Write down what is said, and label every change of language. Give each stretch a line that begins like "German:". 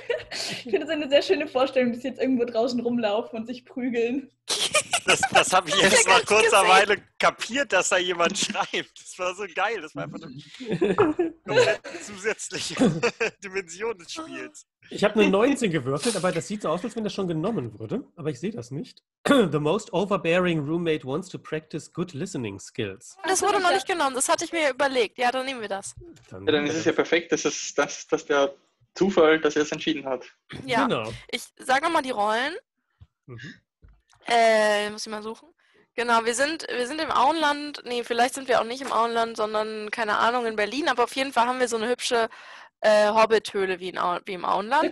German: Ich finde es eine sehr schöne Vorstellung, dass sie jetzt irgendwo draußen rumlaufen und sich prügeln. Das habe ich erst mal kurzer Weile kapiert, dass da jemand schreibt. Das war so geil. Das war einfach eine zusätzliche Dimension des Spiels. Ich habe eine 19 gewürfelt, aber das sieht so aus, als wenn das schon genommen wurde. Aber ich sehe das nicht.
English: The most overbearing roommate wants to practice good listening skills.
German: Das wurde noch nicht genommen. Das hatte ich mir überlegt. Ja, dann nehmen wir das. Dann ist es ja perfekt. Das ist der Zufall, dass er es entschieden hat. Ja, genau. Ich sage nochmal die Rollen. Mhm. Muss ich mal suchen. Genau, wir sind im Auenland, nee, vielleicht sind wir auch nicht im Auenland, sondern, keine Ahnung, in Berlin, aber auf jeden Fall haben wir so eine hübsche Hobbit-Höhle wie im Auenland.